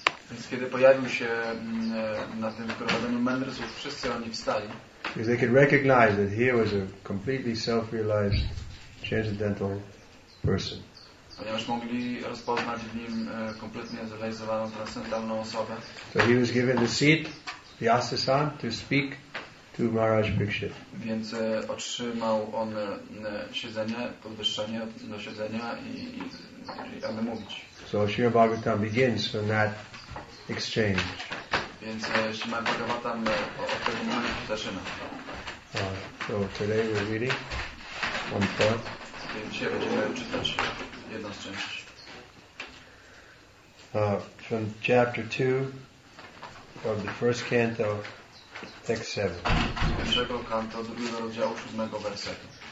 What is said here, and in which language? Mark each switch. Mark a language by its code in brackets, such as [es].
[pl] Więc kiedy pojawił się na tym wyprowadzeniu mędrców, wszyscy oni wstali. [en] Because they could recognize that here was a completely self-realized, transcendental person. [pl] Ponieważ mogli rozpoznać w nim kompletnie zrealizowaną, transcendentalną osobę. [en] So he was given the seat, the asasan, to speak to Maharaj Bhikshit. [pl] Więc otrzymał on siedzenie, podwyższenie do siedzenia i aby mówić. [en] So Śrīmad Bhāgavatam begins from that exchange. [pl] Więc Śrīmad Bhāgavatam od tego momentu zaczyna. [en] So today we're reading one part. [pl] Dzisiaj będziemy czytać jedną z części. [en] From chapter 2 of the first canto, text 7. [pl] Z pierwszego kanto, drugiego rozdziału, siódmego wersetu.